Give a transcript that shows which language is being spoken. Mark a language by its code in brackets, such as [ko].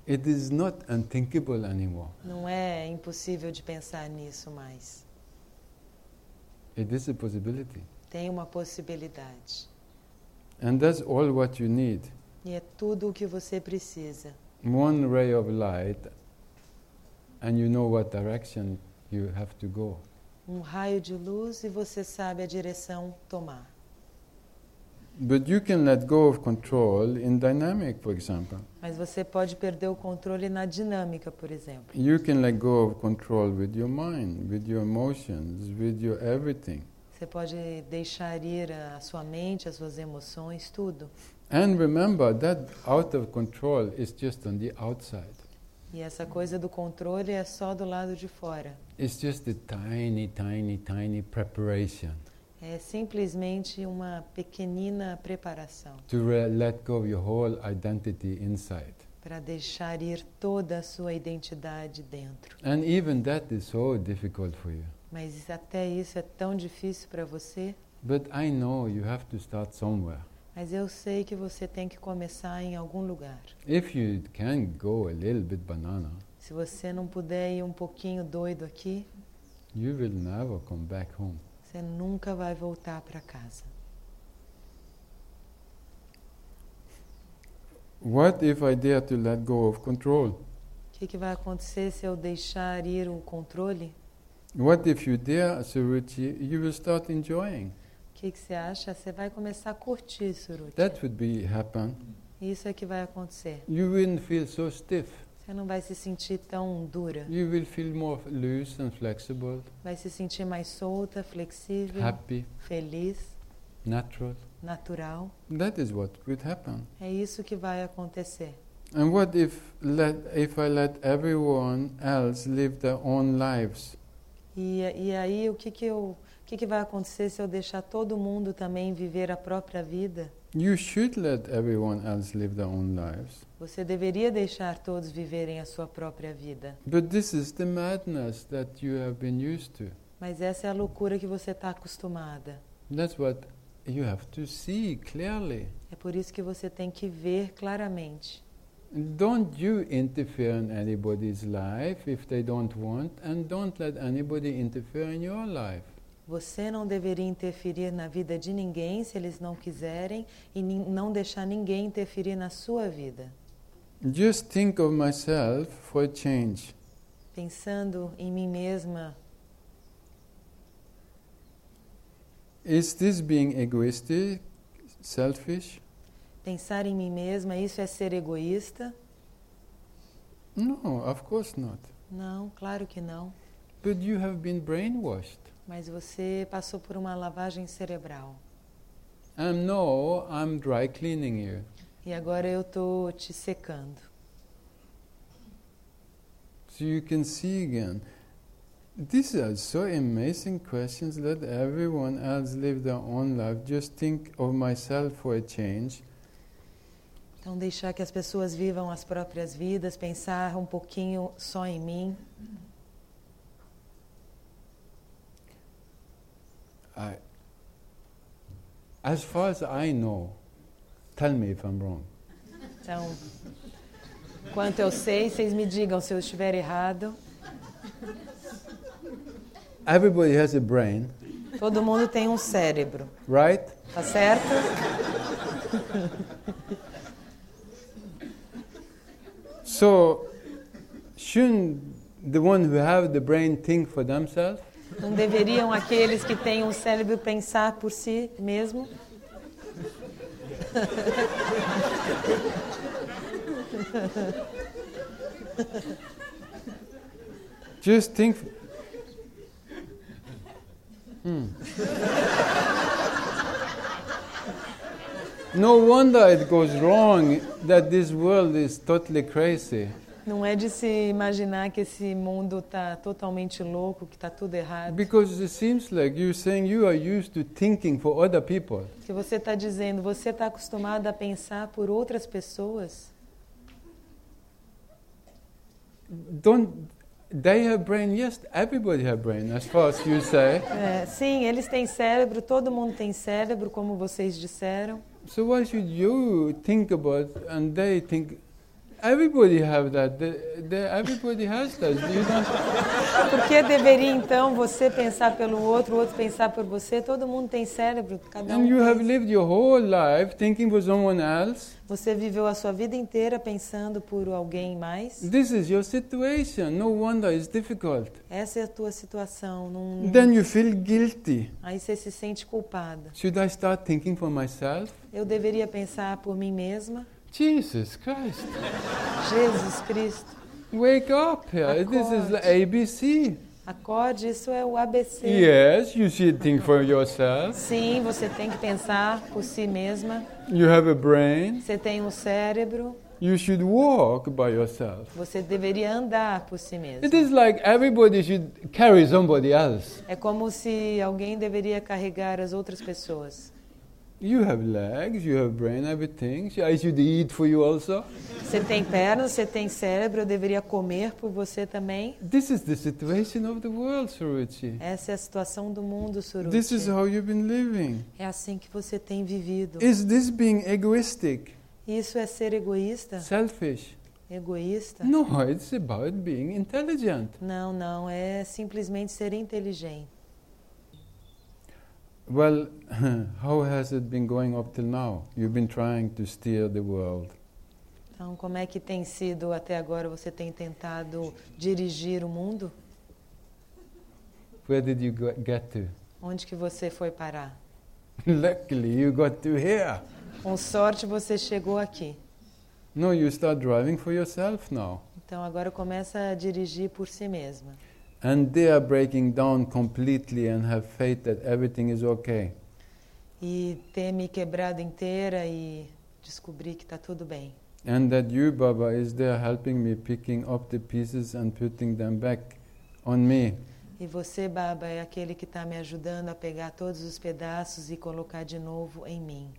[en] It is not unthinkable anymore. [pt] Não é impossível de pensar nisso mais. [en] It is a possibility. [pt] Tem uma possibilidade. [en] And that's all what you need. [pt] E é tudo o que você precisa. [en] One ray of light, and you know what direction you have to go. [pt] Um raio de luz e você sabe a direção tomar. [en] But you can let go of control in dynamic, for example. [pt] Mas você pode perder o controle na dinâmica, por exemplo. [en] You can let go of control with your mind, with your emotions, with your everything. [pt] Você pode deixar ir a sua mente, as suas emoções, tudo. [en] And remember that out of control is just on the outside. [pt] E essa coisa do controle é só do lado de fora. [en] It's just a tiny, tiny, tiny preparation. [pt] É simplesmente uma pequenina preparação. [en] To let go of your whole identity inside. [pt] Para deixar ir toda a sua identidade dentro. [en] And even that is so difficult for you. [pt] Mas até isso é tão difícil para você. [en] But I know you have to start somewhere. [pt] Mas eu sei que você tem que começar em algum lugar. [en] If you can go a little bit banana, [pt] se você não puder ir um pouquinho doido aqui, [en] you will never come back home. [pt] Você nunca vai voltar para casa. [en] What if I dare to let go of control? [pt] Que vai acontecer se eu deixar ir o controle? [en] What if you dare, Suruchi, you will start enjoying? [pt] Que você acha? Você vai começar a curtir, Suruchi. [en] That would be happen. [pt] Isso é que vai acontecer. [en] You wouldn't feel so stiff. [pt] Você não vai se sentir tão dura. [en] You will feel more loose and flexible. [pt] Vai se sentir mais solta, flexível. [en] Happy. [pt] Feliz. [en] Natural. [pt] Natural. [en] That is what would happen. [pt] É isso que vai acontecer. [en] And what if I let everyone else live their own lives? [pt] E aí, o que vai acontecer se eu deixar todo mundo também viver a própria vida? [en] You should let everyone else live their own lives. [pt] Você deveria deixar todos viverem a sua própria vida. [en] But this is the madness that you have been used to. [pt] Mas essa é a loucura que você está acostumada. [en] That's what you have to see clearly. [pt] É por isso que você tem que ver claramente. [en] Don't you interfere in anybody's life if they don't want, and don't let anybody interfere in your life. [pt] Você não deveria interferir na vida de ninguém se eles não quiserem, e não deixar ninguém interferir na sua vida. [en] Just think of myself for a change. [pt] Pensando em mim mesma. [en] Is this being egoistic, selfish? [pt] Pensar em mim mesma, isso é ser egoísta? [en] No, of course not. [pt] Não, claro que não. [en] But you have been brainwashed. [pt] Mas você passou por uma lavagem cerebral. [en] And no, I'm dry cleaning you. [pt] E agora eu estou te secando. [en] So you can see again. These are so amazing questions that everyone else lives their own life. Just think of myself for a change. [pt] Então, deixar que as pessoas vivam as próprias vidas, pensar um pouquinho só em mim. [en] As far as I know, tell me if I'm wrong. [pt] Então, quanto eu sei, vocês me digam se eu estiver errado. [en] Everybody has a brain. [pt] Todo mundo tem um cérebro. [en] Right? [pt] Tá certo? [en] So, shouldn't the one who have the brain think for themselves? [pt] Não deveriam aqueles que têm um cérebro pensar por si mesmo? [en] Just think. No wonder it goes wrong that this world is totally crazy. [pt] Não é de se imaginar que esse mundo está totalmente louco, que está tudo errado. [en] Because it seems like you're saying you are used to thinking for other people. [pt] Que você está dizendo, você está acostumado a pensar por outras pessoas. [en] Don't they have brain? Yes, everybody have brain, as far as you say. [pt] Sim, eles têm cérebro, todo mundo tem cérebro, como vocês disseram. [en] So what should you think about and they think? Everybody have that. Everybody has that. You don't. [pt] Por que deveria então você pensar pelo outro, o outro pensar por você? Todo mundo tem cérebro, cada um. [en] And you have lived your whole life thinking for someone else. [pt] Você viveu a sua vida inteira pensando por alguém mais? [en] This is your situation. No wonder it's difficult. [pt] Essa é a tua situação. [en] Then you feel guilty. [pt] Aí você se sente culpada. [en] Should I start thinking for myself? [pt] Eu deveria pensar por mim mesma. [en] Jesus Christ. [pt] Jesus Cristo. [en] Wake up. [pt] Acorde. [en] This is the ABC. [pt] Acorde, isso é o ABC. [en] Yes, you should think for yourself. [pt] Sim, você tem que pensar por si mesma. [en] You have a brain. [pt] Você tem um cérebro. [en] You should walk by yourself. [pt] Você deveria andar por si mesmo. [en] It is like everybody should carry somebody else. [pt] É como se alguém deveria carregar as outras pessoas. [en] You have legs, you have brain, everything. I should eat for you also. [pt] Você tem pernas, você tem cérebro, eu deveria comer por você também. [en] This is the situation of the world, Suruchi. [pt] Essa é a situação do mundo, Suruchi. [en] This is how you've been living. [pt] É assim que você tem vivido. [en] Is this being egoistic? [pt] Isso é ser egoísta? [en] Selfish. [pt] Egoísta? [en] No, it's about being intelligent. [pt] Não, não, é simplesmente ser inteligente. [en] Well, how has it been going up till now? You've been trying to steer the world. [pt] Então, como é que tem sido até agora? Você tem tentado dirigir o mundo? [en] Where did you get to? [pt] Onde que você foi parar? [en] Luckily, you got to here. [pt] Com sorte, você chegou aqui. [en] No, you start driving for yourself now. [pt] Então, agora começa a dirigir por si mesma. [en] And they are breaking down completely and have faith that everything is okay. [pt] E ter me quebrado inteira e descobrir que está tudo bem. [en] And that you, Baba, is there helping me picking up the pieces and putting them back on me. [pt] E você, Baba, é aquele que está me ajudando a pegar todos os pedaços e colocar de novo em mim.